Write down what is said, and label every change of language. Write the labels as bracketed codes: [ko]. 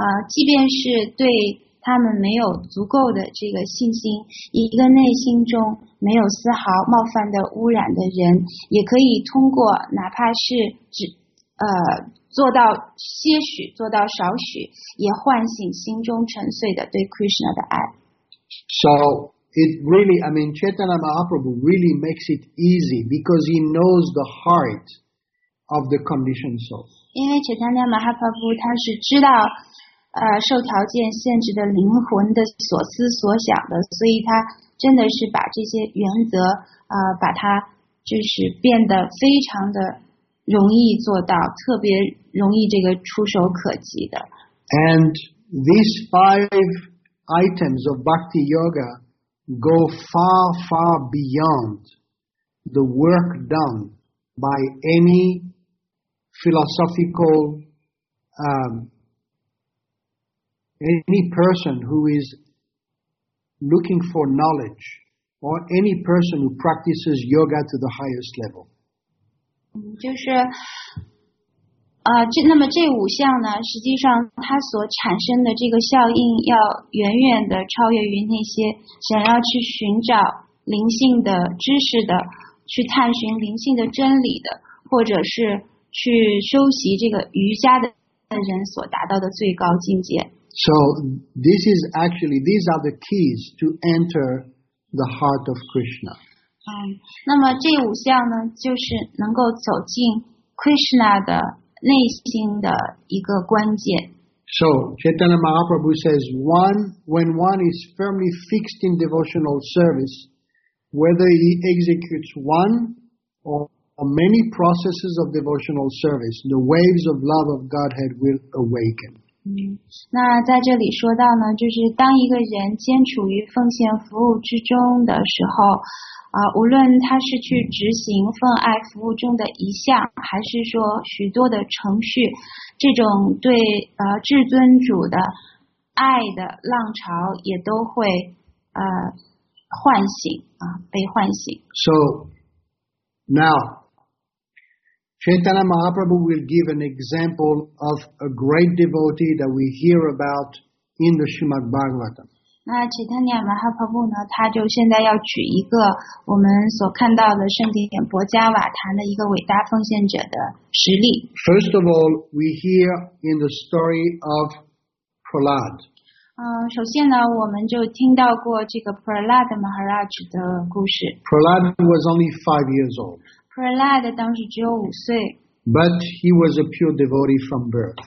[zh] 即便是对他们没有足够的这个信心，一个内心中没有丝毫冒犯的污染的人，也可以通过哪怕是做到些许，做到少许，也唤醒心中沉睡的对 Krishna 的爱。 [en] So it really, I mean, Chaitanya Mahaprabhu really makes it easy because he knows the heart of the conditioned soul. [zh] 因为 Chaitanya Mahaprabhu 他是知道，受条件限制的灵魂的所思所想的，所以他真的是把这些原则，把它就是变得非常的。容易做到，特别容易这个触手可及的。 [en] And these five items of bhakti yoga go far, far beyond the work done by any philosophical, any person who is looking for knowledge or any person who practices yoga to the highest level. [zh] 就是那么这五项呢，实际上它所产生的这个效应要远远的超越于那些想要去寻找灵性的知识的，去探寻灵性的真理的，或者是去修习这个瑜伽的人所达到的最高境界。 [en] So this is actually, these are the keys to enter the heart of Krishna. [zh] 那么这五项呢，就是能够走进 Krishna 的内心的一个关键。 [en] So, Chaitanya Mahaprabhu says, one, when one is firmly fixed in devotional service, whether he executes one or many processes of devotional service, the waves of love of Godhead will awaken. [zh] 那在这里说到呢，就是当一个人坚处于奉献服务之中的时候，无论他是去执行奉爱服务中的一项，还是说许多的程序，这种对至尊主的爱的浪潮也都会唤醒被唤醒。 [en] So now, Chaitanya Mahaprabhu will give an example of a great devotee that we hear about in the Srimad Bhagavatam. [zh] 那齐坦尼亚马哈帕布呢，他就现在要举一个我们所看到的圣典博加瓦坛的一个伟大奉献者的实例。 [en] First of all, we hear in the story of Prahlad. [zh] 首先呢，我们就听到过这个 Prahlad Maharaj 的故事。 [en] Prahlad was only 5 years old. [zh] Prahlad 当时只有五岁。 [en] But he was a pure devotee from birth.